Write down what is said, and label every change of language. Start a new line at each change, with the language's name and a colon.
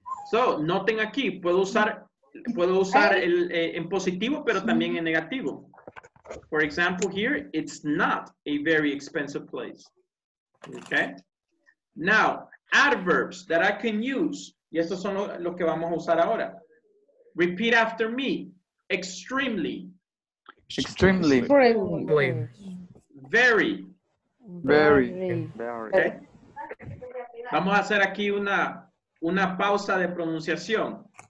Spanish: So, noten aquí, puedo usar el en positivo, pero también en negativo.
English: For example, here, it's not a very expensive place. Okay? Now, adverbs that I can use.
Spanish: Y estos son lo que vamos a usar ahora.
English: Repeat after me. Extremely. Extremely. Extremely. Very. Very. Okay.
Spanish: Vamos a hacer aquí una pausa de pronunciación.